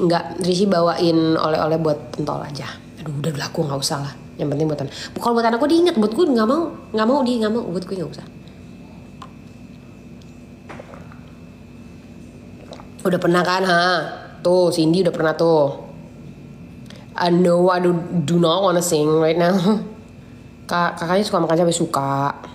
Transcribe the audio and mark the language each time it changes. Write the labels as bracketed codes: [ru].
[id] Enggak, Rishi bawain oleh-oleh buat pentol aja. Aduh, udah laku, gak usah lah. Yang penting buat anak. Kalau buat anak gue diinget, buat gue gak mau. Gak mau, dia gak mau, buat gue gak usah. Udah pernah kan, ha? Tuh, Cindy udah pernah tuh. [en] No, I do not wanna sing right now. [id] Kakaknya suka makan cabai, suka.